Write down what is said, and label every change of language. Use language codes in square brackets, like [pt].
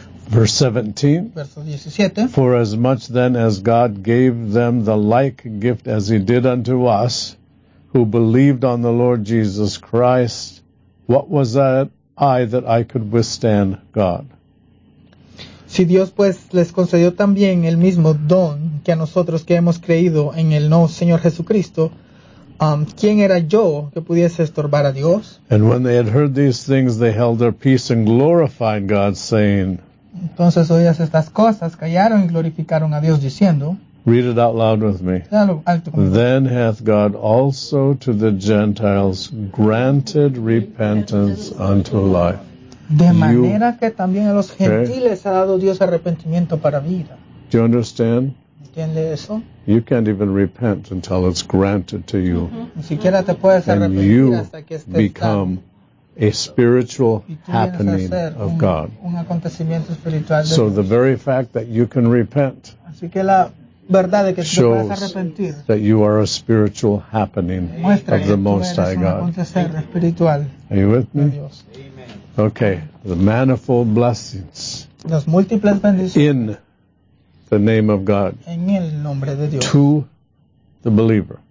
[en] 17. For as much then as God gave them the like gift as he did unto us, who believed on the Lord Jesus Christ, what was that I that I could withstand God? [es] Si Dios pues les concedió también el mismo don que a nosotros que hemos creído en el no Señor Jesucristo, ¿quién era yo que pudiese estorbar a Dios? [en] And when they had heard these things, they held their peace and glorified God, saying. [es] Entonces oídas estas cosas, callaron y glorificaron a Dios diciendo. [en] Read it out loud with me. Then hath God also to the Gentiles granted repentance unto life. [es] De manera que también a los gentiles ha dado Dios arrepentimiento para vida. [en] Do you understand? [es] ¿Entiende eso? [en] You can't even repent until it's granted to you. [es] Ni siquiera te puedes arrepentir hasta que [en] estés. You become a spiritual happening of God. [es] Un acontecimiento espiritual de [en] Dios. So the very fact that you can repent. [es] Así que la verdad de que te puedes arrepentir. [en] Shows that you are a spiritual happening of the Most High God. Are you with me? Okay, the manifold blessings [es] las múltiples bendiciones [en] in the name of God [es] en el nombre de Dios [en] to the believer.